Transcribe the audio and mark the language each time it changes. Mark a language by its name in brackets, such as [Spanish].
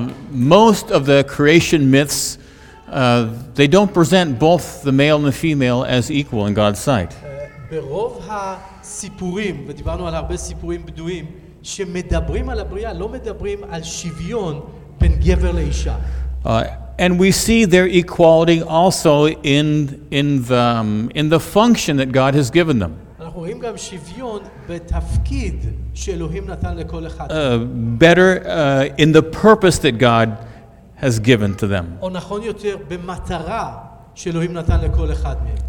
[English] Most of the creation myths they don't present both the male and the female as equal in God's sight. [Hebrew] ברוב הסיפורים, ודיברנו על הרבה סיפורים בדויים, שמדברים על הבריאה, לא מדברים על שוויון בין גבר לאישה. [English] And we see their equality also in the function that God has given them. [Hebrew] אנחנו רואים גם שוויון בתפקיד שאלוהים נתן לכל אחד. [English] Better in the purpose that God has given to them. [Hebrew] או נכון יותר במטרה שאלוהים נתן לכל אחד מהם.